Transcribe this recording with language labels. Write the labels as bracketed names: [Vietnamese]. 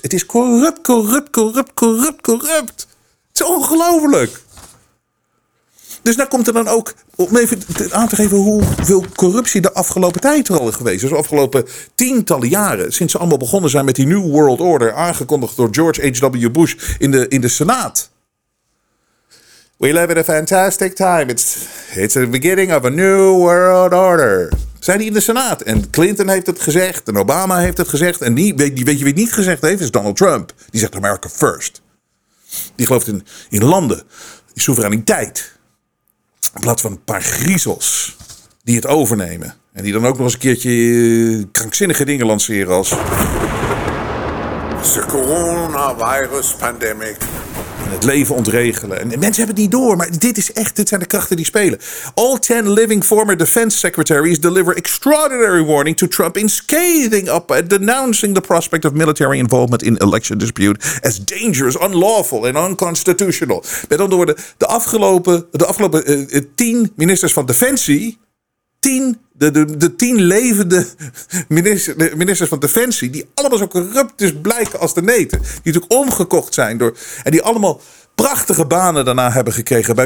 [Dutch] Het is corrupt, corrupt, corrupt, corrupt, corrupt. Het is ongelooflijk. Dus daar komt er dan ook, om even aan te geven hoeveel corruptie de afgelopen tijd er al is geweest. Dus de afgelopen tientallen jaren, sinds ze allemaal begonnen zijn met die New World Order, aangekondigd door George H.W. Bush in de Senaat. [English] We live in a fantastic time. It's the beginning of a new world order. [Dutch] Zijn die in de Senaat? En Clinton heeft het gezegd, en Obama heeft het gezegd, en die weet je wie het niet gezegd heeft, is Donald Trump. Die zegt America first. Die gelooft in landen, in soevereiniteit. In plaats van een paar griezels die het overnemen. En die dan ook nog eens een keertje krankzinnige dingen lanceren als [English] de coronavirus pandemic. [Dutch] En het leven ontregelen. En mensen hebben het niet door, maar dit zijn de krachten die spelen. [English] All 10 living former defense secretaries deliver extraordinary warning to Trump in scathing up and denouncing the prospect of military involvement in election dispute as dangerous, unlawful and unconstitutional. [Dutch] Met andere woorden, de afgelopen 10 ministers van defensie, 10 De 10 levende ministers van Defensie, die allemaal zo corrupt dus blijken als de neten. Die natuurlijk omgekocht zijn door. En die allemaal prachtige banen daarna hebben gekregen.